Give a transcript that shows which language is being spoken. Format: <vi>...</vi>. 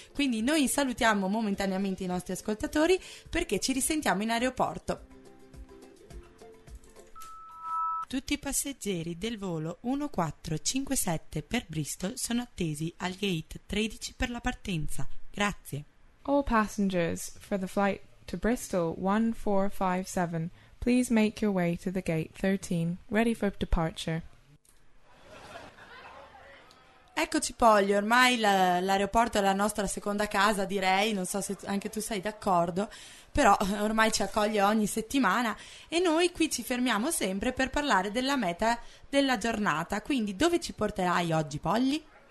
<it>Quindi noi salutiamo momentaneamente i nostri ascoltatori, perché ci risentiamo in aeroporto. Tutti i passeggeri del volo 1457 per Bristol sono attesi al gate 13 per la partenza. Grazie.</it> <en>All passengers for the flight to Bristol 1457, please make your way to the gate 13, ready for departure.</en> <it>Eccoci Polly, ormai l'aeroporto è la nostra seconda casa, direi, non so se anche tu sei d'accordo, però ormai ci accoglie ogni settimana e noi qui ci fermiamo sempre per parlare della meta della giornata. Quindi dove ci porterai oggi, Polly?</it>